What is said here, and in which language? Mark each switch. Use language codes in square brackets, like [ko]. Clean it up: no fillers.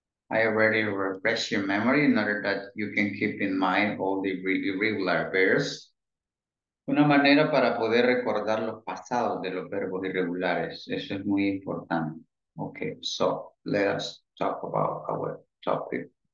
[en] I already refreshed your memory in order that you can keep in mind all the irregular verbs. [es] Una manera para poder recordar los pasados de los verbos irregulares. Eso es muy importante. [en] Okay, so let us talk about our topic.